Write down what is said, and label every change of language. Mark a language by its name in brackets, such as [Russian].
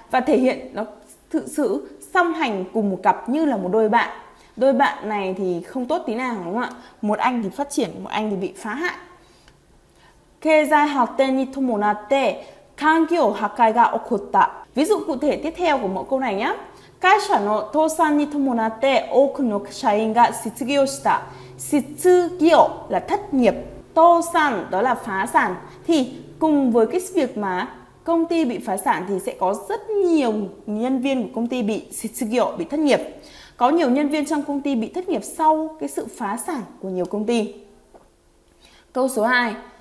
[Vietnamese] Và thể hiện nó thực sự song hành cùng một cặp như là một đôi bạn. Đôi bạn này thì không tốt tí nào đúng không ạ? Một anh thì phát triển, một anh thì bị phá hại. [Japanese] Keizai hatten ni tomonatte kankyo hakai ga okotta. [Vietnamese] Ví dụ cụ thể tiếp theo của mẫu câu này nhé. [Japanese] 会社の倒産に伴って多くの社員が失業した。失業 [Vietnamese] là thất nghiệp. tô sản, đó là phá sản. Thì cùng với cái việc mà công ty bị phá sản thì sẽ có rất nhiều nhân viên của công ty bị sugyo, bị thất nghiệp. Có nhiều nhân viên trong công ty bị thất nghiệp sau cái sự phá sản của nhiều công ty. Câu số 2.